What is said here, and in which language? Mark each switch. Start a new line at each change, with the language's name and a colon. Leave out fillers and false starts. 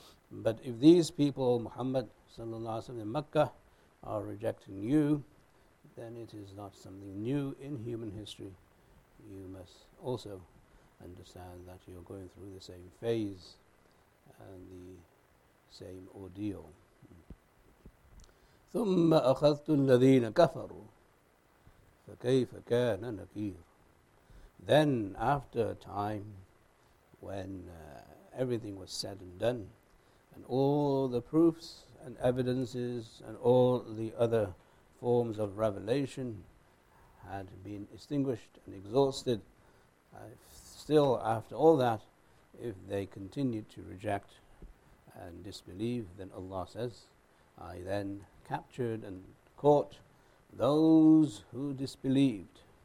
English: But if these people, Muhammad sallallahu alaihi wasallam in Mecca, are rejecting you, then it is not something new in human history. You must also understand that you're going through the same phase and the same ordeal.
Arabic: ثم أخذت الذين كفروا فكيف كان نكير.
English: Then after a time when everything was said and done and all the proofs and evidences and all the other forms of revelation had been extinguished and exhausted, still after all that, if they continued to reject and disbelieve, then Allah says, I then captured and caught those who disbelieved.